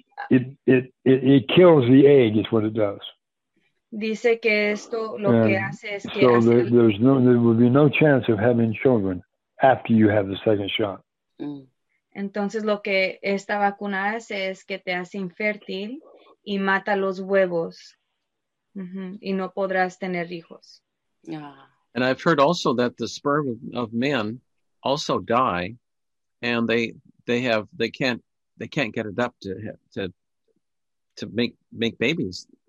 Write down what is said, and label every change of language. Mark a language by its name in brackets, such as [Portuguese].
[English] It kills the egg is what it does. [Spanish] Dice que esto lo que hace es que [English] There will be no chance of having children after you have the second shot. [Spanish] Entonces, lo que esta vacuna hace es que te hace infértil y mata los huevos. Y no podrás tener hijos. [English] And I've heard also that the sperm of men also die, and they can't get it up to make babies.